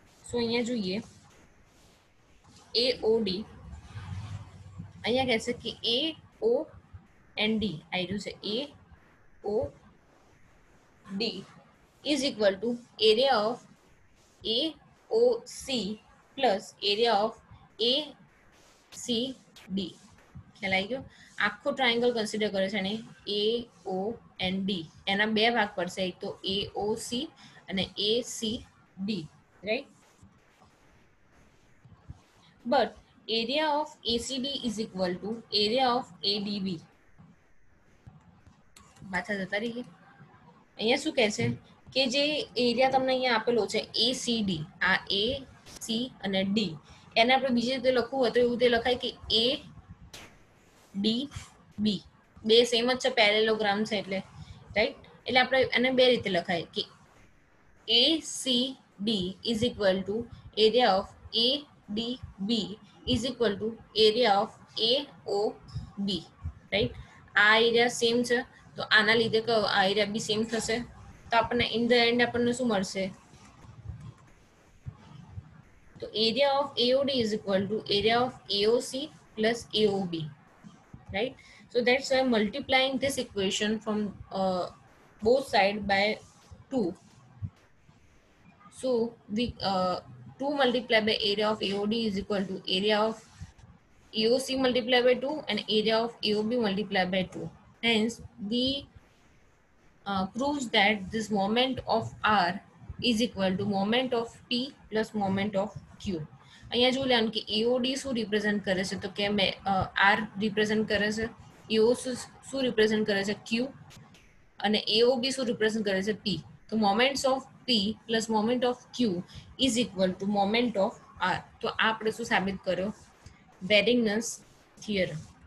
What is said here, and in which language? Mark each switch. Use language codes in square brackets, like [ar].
[gu] સો અહીંયા જોઈએ એઓડી, અહીંયા કહેશે કે [en] A O N D આવ્યું છે, A O D is equal to area of A O C plus area of A C D, [gu] ખ્યાલ આવી ગયો. આખો ટ્રાયંગલ કન્સિડર કરે છે ને એ ઓ એન ડી, એના બે ભાગ પડશે, એક તો એ ઓ સી અને A C D, right. [en] But area of ACB is equal to area of ADB. [gu] બાચા જતા રહી. અહીંયા શું કહે છે કે જે એરિયા તમને અહીંયા આપેલો છે ACD, આ A, C અને D, એને આપણે બીજી રીતે લખવું હોય તો એવું તે લખાય કે A, D, B. બે સેમ જ છે, પેરેલોગ્રામ છે એટલે, રાઈટ. એટલે આપણે એને બે રીતે લખાય કે [en] ACD is equal to area of ADB is equal to area of AOB, right? [gu] આ એરિયા સેમ છે તો આના લીધે કયો આ એરિયા બી સેમ થશે, તો આપણને ઇન ધ એન્ડ આપણને શું મળશે? [en] તો area of AOD is equal to area of AOC plus AOB, right? So that's why multiplying this equation from both side by 2, so we 2 multiplied by area of AOD is equal to area of AOC multiplied by 2 and area of AOB multiplied by 2. Hence, we proves that this moment of R is equal to moment of P plus moment of Q. [gu] અહીંયા જો lane કે AOD શું represent કરે છે, તો કે મે R represent કરે છે, AOC શું રિપ્રેઝન્ટ કરે છે Q, અને AOB શું રિપ્રેઝન્ટ કરે છે P. [en] તો moments of P plus moment of Q is equal to moment of R. [gu] તો આ આપણે શું સાબિત કર્યો? [en] Varignon's theorem.